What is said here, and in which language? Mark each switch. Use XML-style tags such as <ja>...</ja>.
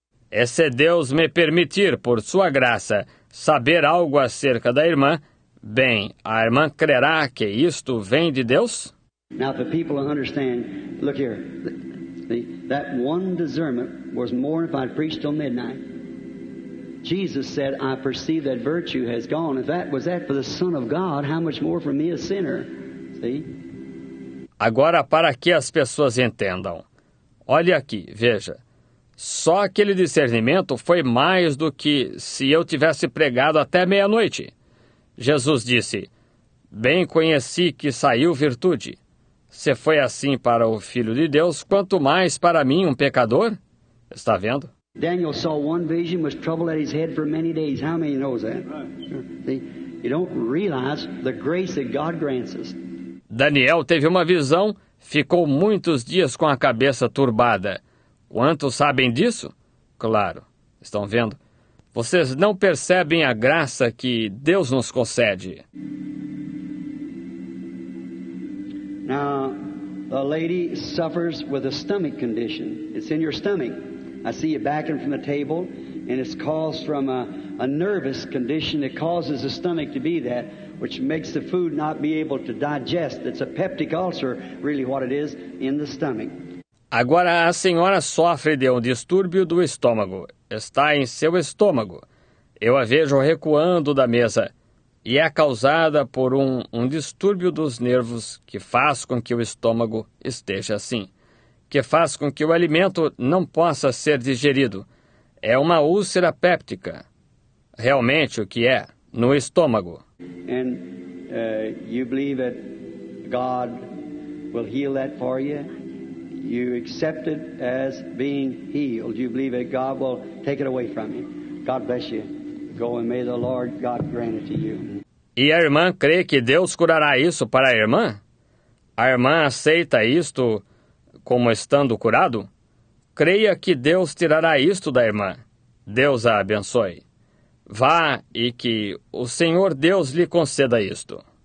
<pt>É se Deus me permitir, por sua graça, saber algo acerca da irmã, bem, a irmã crerá que isto vem de Deus?</pt> <en>Now the people understand, look here, that one discernment was more if I preached till midnight. Jesus said, I perceive that virtue has gone. If that was that for the Son of God, how much more for me a sinner? See?</en> <pt>Agora, para que as pessoas entendam, olhe aqui, veja. Só aquele discernimento foi mais do que se eu tivesse pregado até meia-noite. Jesus disse, bem conheci que saiu virtude. Se foi assim para o Filho de Deus, quanto mais para mim, um pecador? Está vendo?</pt> <en>Daniel saw one vision with trouble at his head for many days. How many knows that? See? You don't realize the grace that God grants us.</en> <pt>Daniel teve uma visão, ficou muitos dias com a cabeça turbada. Quantos sabem disso? Claro, estão vendo? Vocês não percebem a graça que Deus nos concede.</pt> <en>Now, the lady suffers with a stomach condition. It's in your stomach. I see you backing from the table, and it's caused from a nervous condition that causes the stomach to be that, which makes the food not be able to digest. It's a peptic ulcer, really what it is, in the stomach.</en> <pt>Agora, a senhora sofre de um distúrbio do estômago. Está em seu estômago. Eu a vejo recuando da mesa. E é causada por um distúrbio dos nervos que faz com que o estômago esteja assim. Que faz com que o alimento não possa ser digerido. É uma úlcera péptica. Realmente, o que é? No estômago. E você acredita que Deus vai curar isso para você?</pt> <en>You accept it as being healed. You believe that God will take it away from you. God bless you. Go and may the Lord God grant it to you.</en> <pt>E a irmã crê que Deus curará isso para a irmã? A irmã aceita isto como estando curado? Creia que Deus tirará isto da irmã. Deus a abençoe. Vá e que o Senhor Deus lhe conceda isto.</pt>